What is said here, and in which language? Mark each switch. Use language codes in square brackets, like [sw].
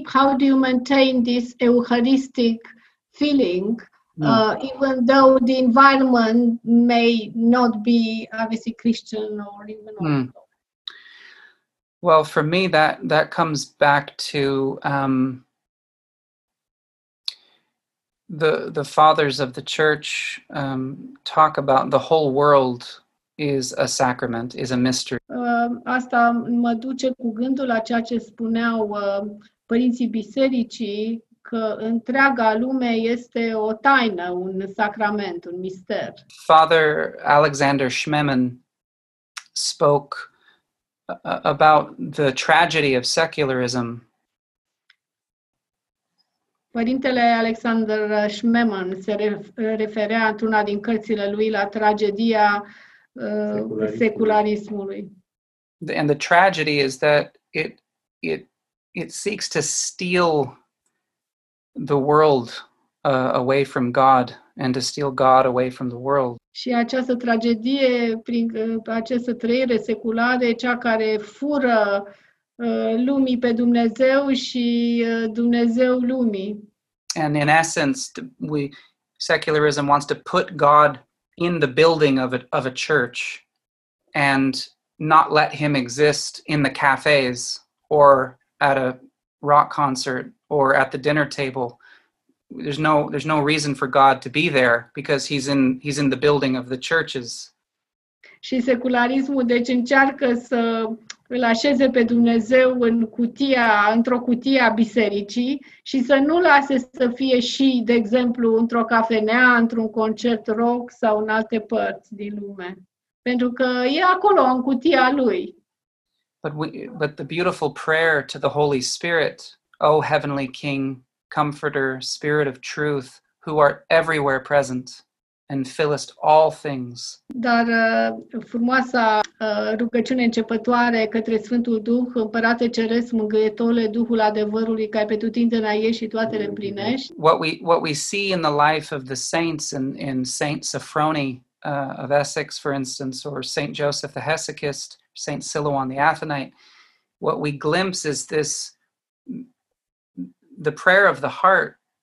[en] How do you maintain this Eucharistic feeling, even though the environment may not be obviously Christian or even Orthodox? Well, for me, that comes back to the fathers of the church talk about the whole world is a sacrament, is a mystery. [ro] Asta mă duce cu gândul la ceea ce spuneau părinții bisericii, că întreaga lume este o taină, un sacrament, un mister. [en] Father Alexander Schmemann spoke about the tragedy of secularism. [ro] Părintele Alexander Schmemann se referea într-una din cărțile lui la tragedia secularismului. [en] And the tragedy is that it seeks to steal the world away from God and to steal God away from the world. [ro] Și această tragedie prin această trăire seculară, cea care fură lumii pe Dumnezeu și Dumnezeu lumii. [en] And in essence, secularism wants to put God in the building of a church and not let him exist in the cafes or at a rock concert or at the dinner table. There's no reason for God to be there because he's in the building of the churches. [ro] Și secularismul deci încearcă să îl așeze pe Dumnezeu în cutia, într-o cutie a bisericii și să nu lase să fie și, de exemplu, într-o cafenea, într-un concert rock sau în alte părți din lume, pentru că e acolo în cutia lui. [en] But the beautiful prayer to the Holy Spirit, O heavenly King, Comforter, Spirit of Truth, who art everywhere present and fillest all things. [ro] Dar frumoasa rugăciune începătoare către Sfântul Duh, Împărate Ceresc, Mângâietorule, Duhul Adevărului, care pe tutindeni aiești și toate le împlinești. [en] What we see in the life of the saints in Saint Sophrony of Essex, for instance, or Saint Joseph the Hesychist, Saint Silouan the Athenite, what we glimpse is this, the prayer of the heart.